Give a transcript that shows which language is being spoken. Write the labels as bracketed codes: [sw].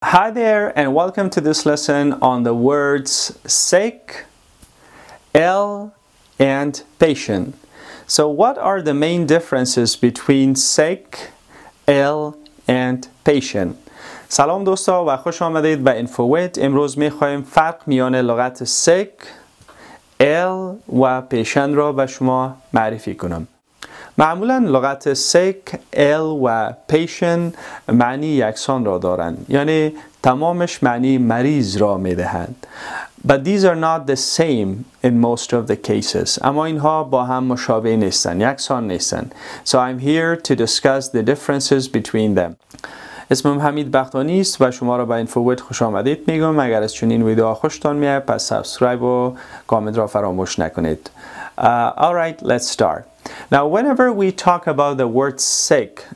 [en] Hi there and welcome to this lesson on the words sick, ill, and patient. So what are the main differences between sick, ill, and patient? [fa] سلام دوستا و خوش آمدید به انفوویت. امروز می خواهیم فرق میان لغت sick, ill و patient را به شما معرفی کنم. معمولا لغت sick, ill و patient معنی یکسان را دارند، یعنی تمامش معنی مریض را می دهند. [en] But these are not the same in most of the cases. [fa] اما اینها با هم مشابه نیستند، یکسان نیستند. [en] So I'm here to discuss the differences between them. [fa] اسمم حمید بختانی است و شما را به انفوویت خوش آمدید میگم. اگر از چنین ویدیو خوشتان میاد پس سابسکرایب و کامنت را فراموش نکنید. [en] Alright, let's start. Now, whenever we talk about the word sick,